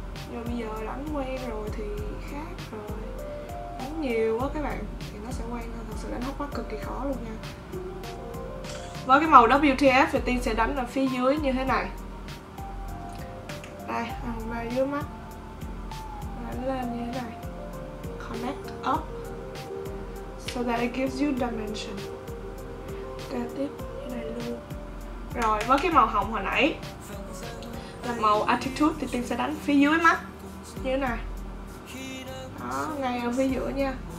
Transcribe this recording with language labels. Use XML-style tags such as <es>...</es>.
<vi>Nhưng bây giờ đánh quen rồi thì khác rồi, đánh nhiều quá các bạn thì nó sẽ quen thôi. Thật sự đánh hốc mắt cực kỳ khó luôn nha. Với cái màu WTF thì Tiên sẽ đánh ở phía dưới như thế này. Đây, vòng vào dưới mắt, đánh lên như thế này.</vi> <en>Connect up so that it gives you dimension.</en> <vi>Ok, tiếp như này luôn. Rồi, với cái màu hồng hồi nãy là màu Attitude thì Tiên sẽ đánh phía dưới mắt như thế này. Đó, ngay ở phía giữa nha.</vi>